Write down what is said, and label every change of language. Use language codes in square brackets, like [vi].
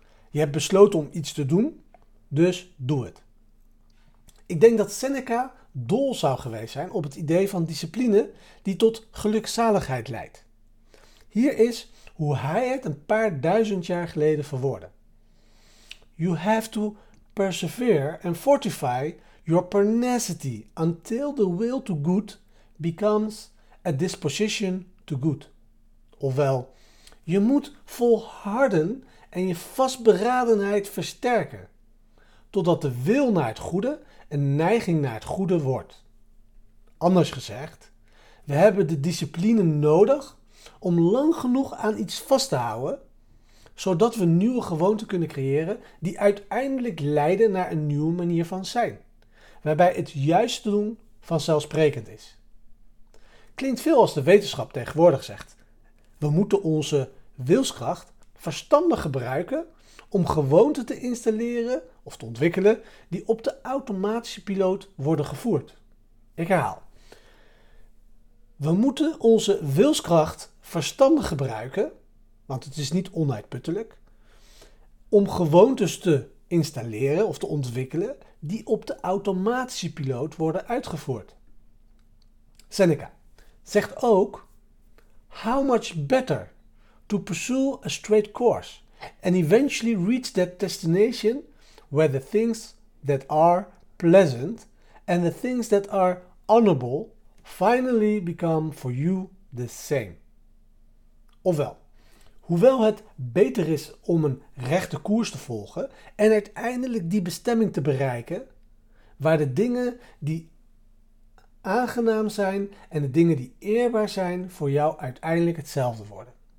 [nl] Je hebt besloten om iets te doen, dus doe het. Ik denk dat Seneca dol zou geweest zijn op het idee van discipline die tot gelukzaligheid leidt. Hier is hoe hij het een paar duizend jaar geleden verwoordde. [en] You have to persevere and fortify your pertinacity until the will to good becomes a disposition to good. [nl] Ofwel, je moet volharden en je vastberadenheid versterken, totdat de wil naar het goede een neiging naar het goede wordt. Anders gezegd, we hebben de discipline nodig om lang genoeg aan iets vast te houden, zodat we nieuwe gewoonten kunnen creëren die uiteindelijk leiden naar een nieuwe manier van zijn, waarbij het juiste doen vanzelfsprekend is. Klinkt veel als de wetenschap tegenwoordig zegt. We moeten onze wilskracht verstandig gebruiken om gewoonten te installeren of te ontwikkelen die op de automatische piloot worden gevoerd. Ik herhaal. We moeten onze wilskracht verstandig gebruiken, want het is niet onuitputtelijk, om gewoontes te installeren of te ontwikkelen die op de automatische piloot worden uitgevoerd. Seneca zegt ook, [en] how much better to pursue a straight course and eventually reach that destination where the things that are pleasant and the things that are honorable finally become for you the same. [nl] Ofwel, hoewel het beter is om een rechte koers te volgen en uiteindelijk die bestemming te bereiken waar de dingen die aangenaam zijn en de dingen die eerbaar zijn voor jou uiteindelijk hetzelfde worden.